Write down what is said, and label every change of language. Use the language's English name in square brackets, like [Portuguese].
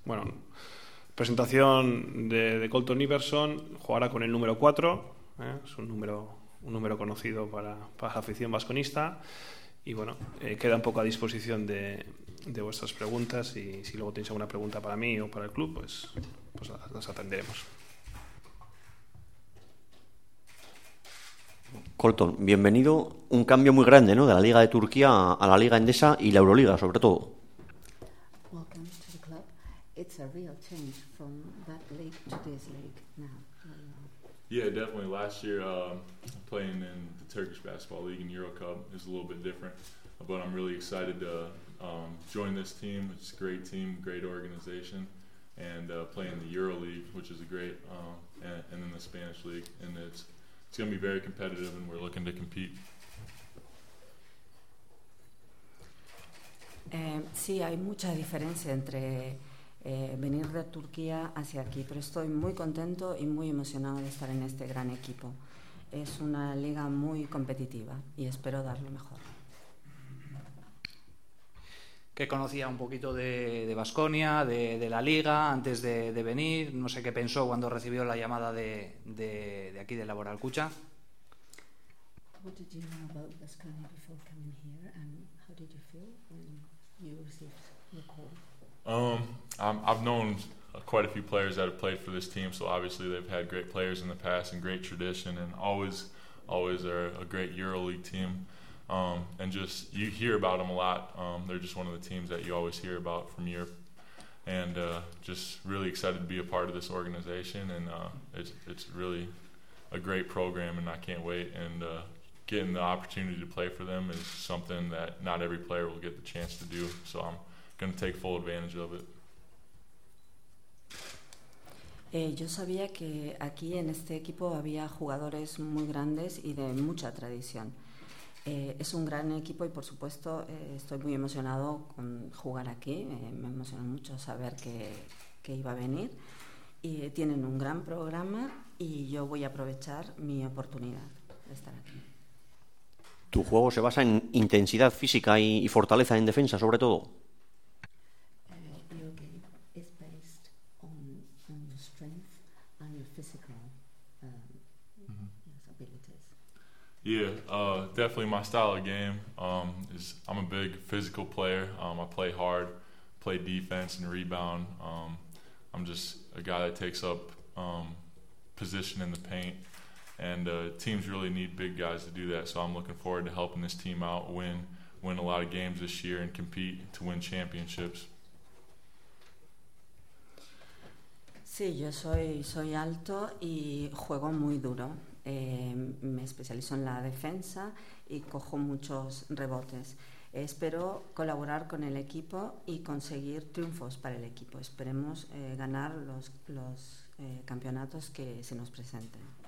[Spanish] Bueno, presentación de Colton Iverson, jugará con el número 4, es un número conocido para la afición vasconista y bueno, queda un poco a disposición de vuestras preguntas y si luego tenéis alguna pregunta para mí o para el club, pues las atenderemos. Colton, bienvenido. Un cambio muy grande, ¿no? De la Liga de Turquía a la Liga Endesa y la Euroliga, sobre todo. [English] Welcome to the club. It's a real change from that league to this league now. Yeah, definitely. Last year, playing in the Turkish Basketball League in EuroCup is a little bit different, but I'm really excited to join this team. It's a great team, great organization, and play in the EuroLeague, which is a great, and then the Spanish league, and it's going to be very competitive, and we're looking to compete. [Spanish] Sí, hay mucha diferencia entre venir de Turquía hacia aquí, pero estoy muy contento y muy emocionado de estar en este gran equipo. Es una liga muy competitiva y espero dar lo mejor. Que conocía un poquito de Baskonia, de la liga, antes de venir. No sé qué pensó cuando recibió la llamada de aquí, de Laboral Kutxa. [English] What did you know about Baskonia before coming here, and how did you feel when you received the call? I've known quite a few players that have played for this team, so obviously they've had great players in the past and great tradition, and always are a great EuroLeague team. And just you hear about them a lot. They're just one of the teams that you always hear about from Europe, and just really excited to be a part of this organization. And it's really a great program, and I can't wait. And getting the opportunity to play for them is something that not every player will get the chance to do. So I'm going to take full advantage of it. [Spanish] Yo sabía que aquí en este equipo había jugadores muy grandes y de mucha tradición. Es un gran equipo y, por supuesto, estoy muy emocionado con jugar aquí. Me emocionó mucho saber que iba a venir. Y tienen un gran programa y yo voy a aprovechar mi oportunidad de estar aquí. ¿Tu juego se basa en intensidad física y fortaleza en defensa, sobre todo? [English] Your game is based on your strength and your physical abilities. Yeah, definitely my style of game is I'm a big physical player. I play hard, play defense and rebound. I'm just a guy that takes up position in the paint, and teams really need big guys to do that. So I'm looking forward to helping this team out win a lot of games this year and compete to win championships. [Spanish] Sí, yo soy alto y juego muy duro. Me especializo en la defensa y cojo muchos rebotes. Espero colaborar con el equipo y conseguir triunfos para el equipo. Esperemos ganar los campeonatos que se nos presenten.